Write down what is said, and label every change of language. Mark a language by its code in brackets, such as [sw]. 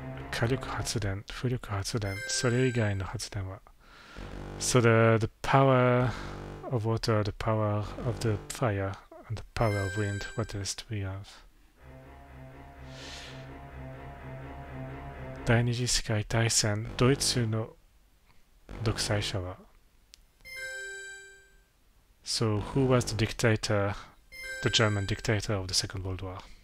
[ja] 火力発電, 風力発電, それ以外の発電は? [en] So the power of water, the power of the fire, and the power of wind, what else do we have? [ja] 第二次世界大戦, ドイツの独裁者は? [en] So who was the dictator, the German dictator of the Second World War?